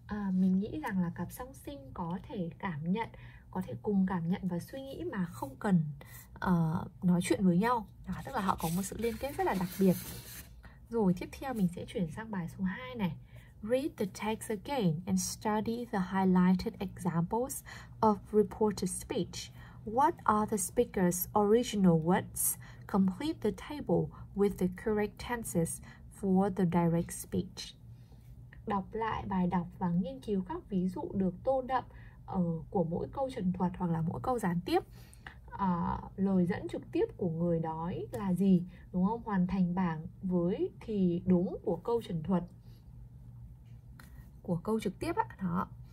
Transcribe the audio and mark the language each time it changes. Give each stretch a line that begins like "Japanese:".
Vietnamese: Mình nghĩ rằng là cặp song sinh có thể cảm nhận, có thể cùng cảm nhận và suy nghĩ mà không cần nói chuyện với nhau. Đó, tức là họ có một sự liên kết rất là đặc biệt. Rồi tiếp theo mình sẽ chuyển sang bài số 2 này.
English: Read the text again and study the highlighted examples of reported speech. What are the speaker's original words? Complete the table with the correct tenses for the direct speech.
Vietnamese: Đọc lại bài đọc và nghiên cứu các ví dụ được tô đậm của mỗi câu trần thuật hoặc là mỗi câu gián tiếp. lời dẫn trực tiếp của người đó ấy là gì, đúng không? Hoàn thành bảng với thì đúng của câu chuẩn thuật, của câu trực tiếp á, đó.